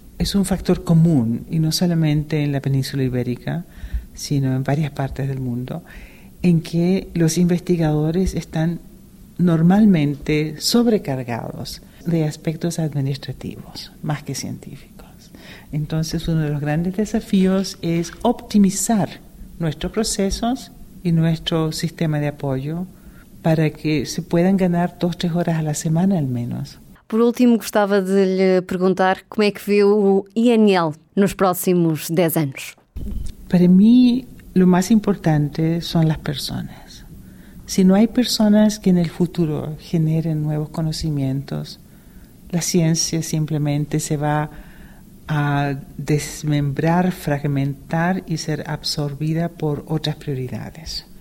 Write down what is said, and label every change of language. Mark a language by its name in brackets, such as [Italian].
[Spanish] Es un factor común, y no solamente en la península ibérica, sino en varias partes del mundo, en que los investigadores están normalmente sobrecargados de aspectos administrativos, más que científicos. Entonces, uno de los grandes desafíos es optimizar nuestros procesos y nuestro sistema de apoyo para que se puedan ganar 2-3 horas a la semana al menos. [Portuguese] Por último, gostava de lhe perguntar como é que vê o INL nos próximos 10 anos. [Spanish] Para mí, lo más importante son las personas. Si no hay personas que en el futuro generen nuevos conocimientos, la ciencia simplemente se va a desmembrar, fragmentar y ser absorbida por otras prioridades.